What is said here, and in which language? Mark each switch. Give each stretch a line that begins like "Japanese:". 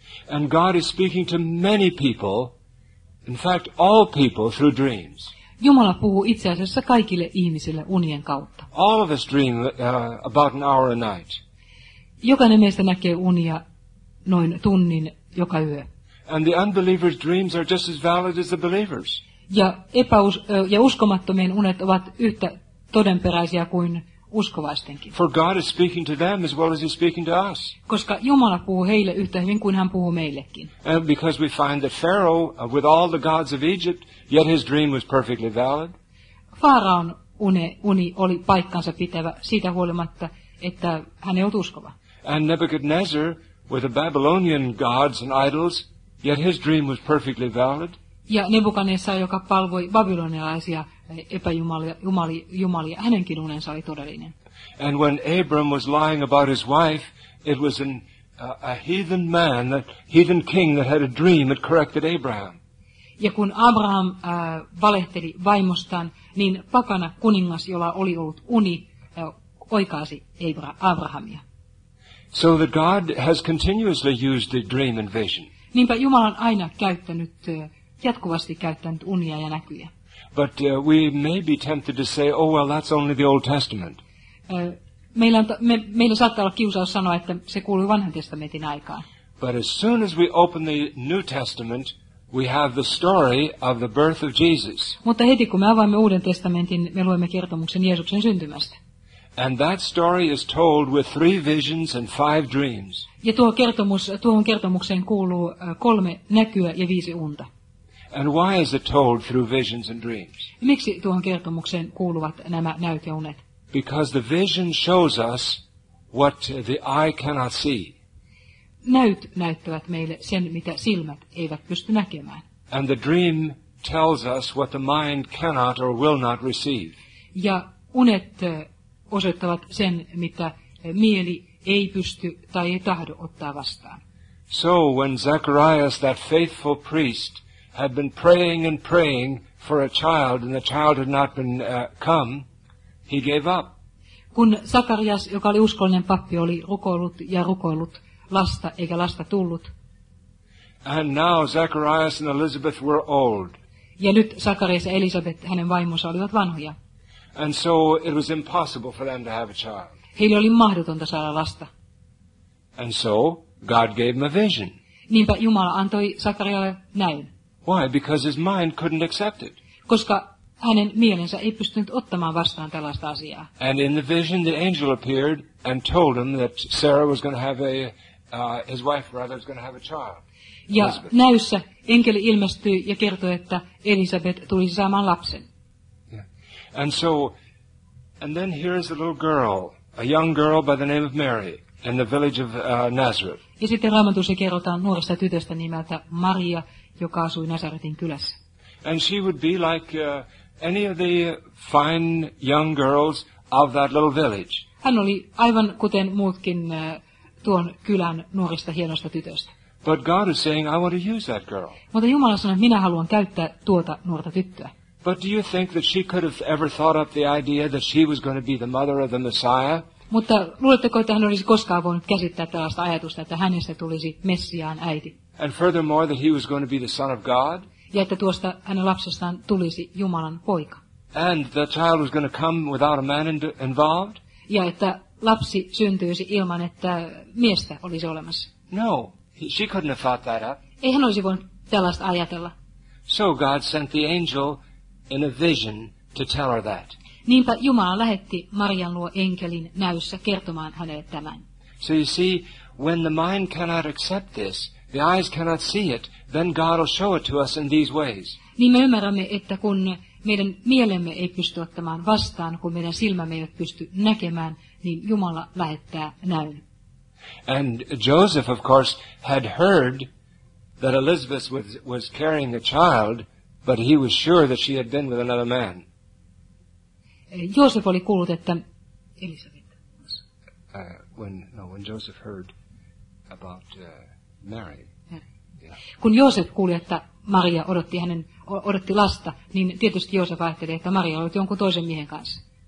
English: And God is speaking to many people, in fact all people, through dreams.
Finnish: Jumala puhuu itse asiassa kaikille ihmisille unien kautta.
English: All of us dream about an hour a night.
Finnish: Jokainen meistä näkee unia noin tunnin joka yö.
English: And the unbelievers' dreams are just as valid as the believers.
Finnish: Ja uskomattomien unet ovat yhtä todenperäisiä kuin uskovaistenkin.
English: For God is speaking to them as well as he's speaking to us.
Finnish: Koska Jumala puhuu heille yhtä hyvin kuin hän puhuu meillekin.
English: And because we find that Pharaoh, with all the gods of Egypt, yet his dream was perfectly valid.
Finnish: Faraon uni oli paikkansa pitävä siitä huolimatta, että hän ei ollut uskova.
English: And Nebuchadnezzar, with the Babylonian gods and idols, yet his dream was perfectly valid.
Finnish: Ja Nebukadnessar, joka palvoi babylonialaisia epäjumalia, hänenkin unensa oli todellinen.
English: And when Abram was lying about his wife, it was a heathen man, a heathen king that had a dream that corrected Abraham.
Finnish: Ja kun Abraham valehteli vaimostaan, niin pakana kuningas, jolla oli ollut uni, oikaasi Abrahamia.
English: So that God has continuously used the dream and vision.
Finnish: Niinpä Jumala on aina jatkuvasti käyttänyt unia ja näkyjä.
English: But we may be tempted to say, oh well, that's only the Old Testament.
Finnish: Meillä saattaa olla kiusaus sanoa, että se kuului Vanhan testamentin aikaan.
English: But as soon as we open the New Testament, we have the story of the birth of Jesus.
Finnish: Mutta heti kun me avaamme Uuden testamentin, me luemme kertomuksen Jeesuksen syntymästä.
English: And that story is told with three visions and five dreams.
Finnish: Ja tuohon kertomukseen kuuluu kolme näkyä ja viisi unta.
English: And why is it told through visions and dreams?
Finnish: Miksi tuohon kertomukseen kuuluvat nämä näyt ja unet?
English: Because the vision shows us what the eye cannot see.
Finnish: Näyt näyttävät meille sen, mitä silmät eivät pysty näkemään.
English: And the dream tells us what the mind cannot or will not receive.
Finnish: Ja unet osoittavat sen, mitä mieli ei pysty tai ei tahdo ottaa vastaan.
English: So when Zacharias, that faithful priest, had been praying and praying for a child, and the child had not been come, he gave up.
Finnish: Kun Sakarias, joka oli uskollinen pappi, oli rukoillut ja rukoillut lasta, eikä lasta tullut.
English: And now Zacharias and Elizabeth were old.
Finnish: Ja nyt Sakarias ja Elisabeth, hänen vaimonsa, olivat vanhoja.
English: And so it was impossible for them to have a child.
Finnish: Heille oli mahdotonta saada lasta.
English: And so God gave him a vision.
Finnish: Niinpä Jumala antoi Sakarialle näin.
English: Why? Because his mind couldn't accept it.
Finnish: Koska hänen mielensä ei pystynyt ottamaan vastaan tällaista asiaa.
English: And in the vision the angel appeared and told him that Sarah was going to have a his wife rather was going to have a child.
Finnish: Ja näyssä enkeli ilmestyi ja kertoi, että Elisabeth tulisi saamaan lapsen.
English: And then here is a little girl, a young girl by the name of Mary, in the village of Nazareth.
Finnish: Ja sitten Raamatussa kerrotaan nuoresta tytöstä nimeltä Maria, joka asui Nazaretin kylässä.
English: And she would be like any of the fine young girls of that little village.
Finnish: Hän oli aivan kuten muutkin tuon kylän nuorista hienosta tytöstä.
English: But God is saying, I want to use that girl.
Finnish: Mutta Jumala sanoi, minä haluan käyttää tuota nuorta tyttöä.
English: But do you think that she could have ever thought up the idea that she was going to be the mother of the Messiah?
Finnish: Mutta luuletteko, että hän olisi koskaan voinut käsittää tällaista ajatusta, että hänestä tulisi Messiaan äiti?
English: And furthermore, that he was going to be the son of God?
Finnish: Ja että tuosta hänen lapsestaan tulisi Jumalan poika?
English: And the child was going to come without a man involved?
Finnish: Ja että lapsi syntyisi ilman, että miestä olisi olemassa?
English: No, she couldn't have thought that up.
Finnish: Ei hän olisi voinut tällaista ajatella.
English: So God sent the angel in a vision to tell her that.
Finnish: Niinpä Jumala lähetti Marian luo enkelin näyssä kertomaan hänelle tämän.
English: So you see, when the mind cannot accept this, the eyes cannot see it, then God will show it to us in these ways.
Finnish: Niin me ymmärrämme, että kun meidän mielemme ei pysty ottamaan vastaan, kun meidän silmämme ei pysty näkemään, niin Jumala lähettää näyn.
English: And Joseph, of course, had heard that Elizabeth was carrying a child, but he was sure that she had been with another man.
Finnish: Joseph oli kuullut, että Elisabeth.
English: When Joseph heard about Mary. Yeah.
Finnish: Kun Joseph kuuli, että Maria odotti hänen odotti lasta, niin tietysti Joseph ajatteli, että Maria oli jonkun toisen miehen kanssa.